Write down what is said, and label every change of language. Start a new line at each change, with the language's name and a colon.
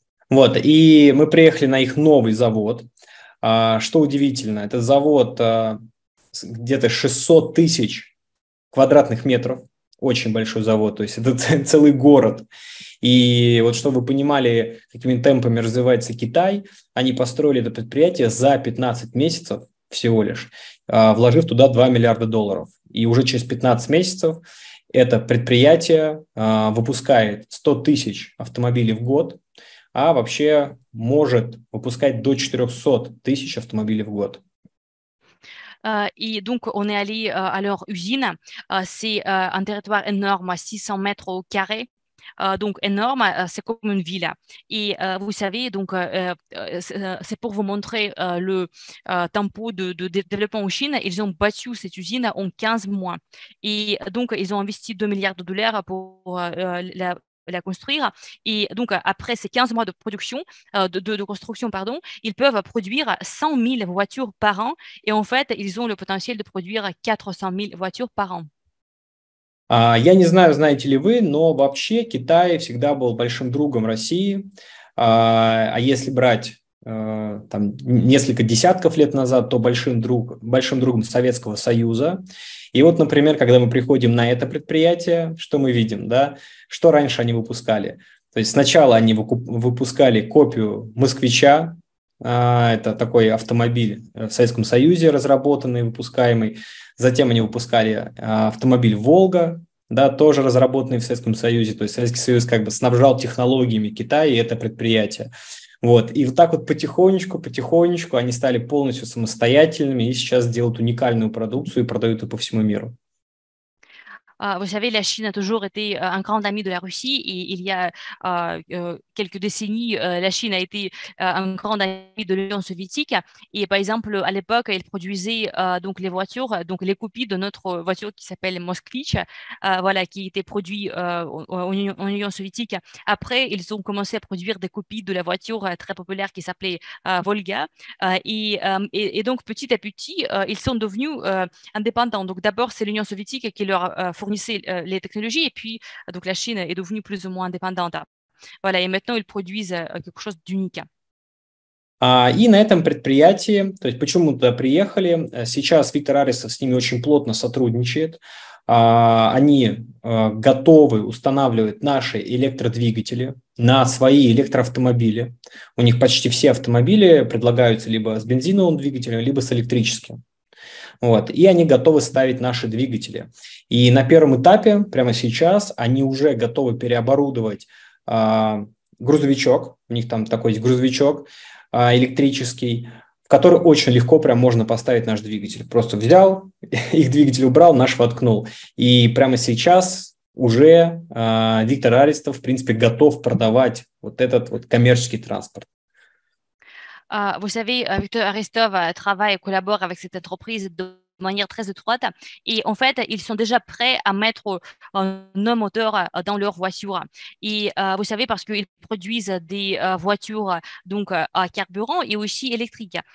Russian: Вот, и мы приехали на их новый завод. Что удивительно, это завод где-то 600 тысяч квадратных метров. Очень большой завод, то есть это целый город. И вот чтобы вы понимали, какими темпами развивается Китай, они построили это предприятие за 15 месяцев всего лишь, вложив туда 2 миллиарда долларов. И уже через 15 месяцев это предприятие выпускает 100 тысяч автомобилей в год, а вообще может выпускать до 400 тысяч автомобилей в год.
French: Et donc, on est allé à leur usine. C'est un territoire énorme, 600 mètres carrés. Donc, énorme, c'est comme une ville. Et vous savez, donc, c'est pour vous montrer le tempo de développement en Chine. Ils ont battu cette usine en 15 mois. Et donc, ils ont investi 2 milliards de dollars pour la construire. Et donc, après ces 15 mois de production, de construction, pardon, ils peuvent produire 100 000 voitures par an. Et en fait, ils ont le potentiel de produire 400 000 voitures par an.
Russian: Я не знаю, знаете ли вы, но вообще Китай всегда был большим другом России. А если брать там, несколько десятков лет назад, то большим другом Советского Союза. И вот, например, когда мы приходим на это предприятие, что мы видим, да? Что раньше они выпускали? То есть сначала они выпускали копию «Москвича». Это такой автомобиль в Советском Союзе разработанный, выпускаемый. Затем они выпускали автомобиль «Волга», да, тоже разработанный в Советском Союзе. То есть Советский Союз как бы снабжал технологиями Китая и это предприятие. Вот. И вот так вот потихонечку они стали полностью самостоятельными и сейчас делают уникальную продукцию и продают ее по всему миру.
French: Vous savez, la Chine a toujours été un grand ami de la Russie et il y a quelques décennies, la Chine a été un grand ami de l'Union soviétique. Et par exemple, à l'époque, elle produisait donc les voitures, donc les copies de notre voiture qui s'appelle Moskvitch, voilà, qui était produite en Union soviétique. Après, ils ont commencé à produire des copies de la voiture très populaire qui s'appelait Volga. Et donc, petit à petit, ils sont devenus indépendants. Donc d'abord, c'est l'Union soviétique qui leur fournissait les technologies et puis donc la Chine est devenue plus ou moins indépendante. Voilà, et maintenant ils produisent quelque chose d'unique.
Russian: И на этом предприятии, то есть почему мы туда приехали, сейчас Виктор Арисов с ними очень плотно сотрудничает. Они готовы устанавливать наши электродвигатели на свои электроавтомобили. У них почти все автомобили предлагаются либо с бензиновым двигателем, либо с электрическим. Вот, и они готовы ставить наши двигатели. И на первом этапе, прямо сейчас, они уже готовы переоборудовать грузовичок. У них там такой есть грузовичок электрический, в который очень легко прям можно поставить наш двигатель. Просто взял, их двигатель убрал, наш воткнул. И прямо сейчас уже Виктор Арестов, в принципе, готов продавать вот этот вот коммерческий транспорт.
French: Vous savez, Victor Aristov travaille et collabore avec cette entreprise de manière très étroite. Et en fait, ils sont déjà prêts à mettre nos moteurs dans leurs voitures. Et vous savez, parce qu'ils produisent des voitures donc, à carburant et aussi électriques.